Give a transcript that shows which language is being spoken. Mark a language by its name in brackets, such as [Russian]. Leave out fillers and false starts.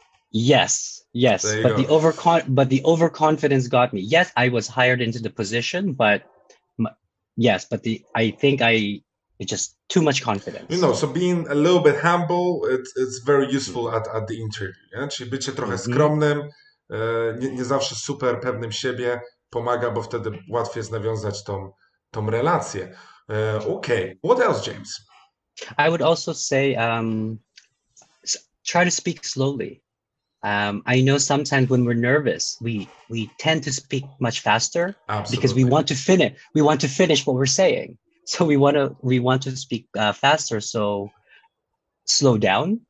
[English] Yes. The overconfidence got me. Yes, I was hired into the position, but it's just too much confidence. You know, so being a little bit humble, it's very useful at the interview. Yeah? [Polish] Czyli bycie trochę skromnym, nie zawsze super pewnym siebie pomaga, bo wtedy łatwiej jest nawiązać tą relację. [English] Okay, what else, James? I would also say try to speak slowly. I know sometimes when we're nervous, we tend to speak much faster. Absolutely. Because we want to finish what we're saying. So we want to speak faster. So slow down.